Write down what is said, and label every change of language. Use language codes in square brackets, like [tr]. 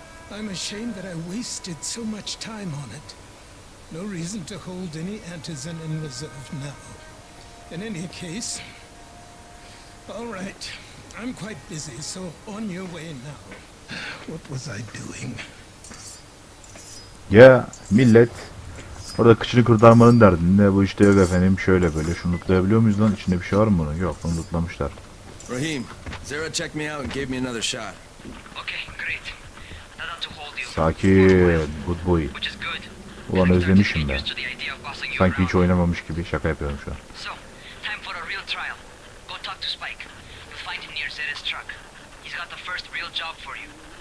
[en] I'm ashamed that I wasted so much time on it. No reason to hold any antigen in reserve now. In any case, all right, I'm quite busy, so on your way now. What was I doing? [tr] Ya millet, orada kıçını kurtarmanın derdinde bu işte yok efendim, şöyle böyle şunu tutabiliyor muyuz lan? İçinde bir şey var mı bunun? Yok, bunu tutmamışlar. [en] Rahim, Zara checked me out and gave me another shot. Okay, great. I don't have to hold you. Sakin, good boy. Which is good. [tr] Ulan özlemişim ben. Sanki hiç oynamamış gibi şaka yapıyorum şu an. [en] So, time for a real trial. Go talk to Spike. You'll find him near Zed's truck. He's got the first real job for you.